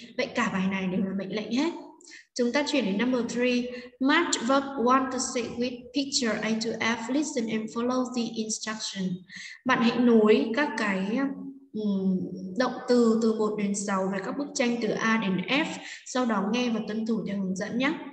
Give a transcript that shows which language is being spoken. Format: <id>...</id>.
<vi>Vậy cả bài này đều là mệnh lệnh hết. Chúng ta chuyển đến number 3.</vi> <en>Match verb 1 to 6 with picture A to F. Listen and follow the instruction.</en> <vi>Bạn hãy nối các cái động từ 1 đến 6 và các bức tranh từ A đến F, sau đó nghe và tuân thủ theo hướng dẫn nhé.</vi>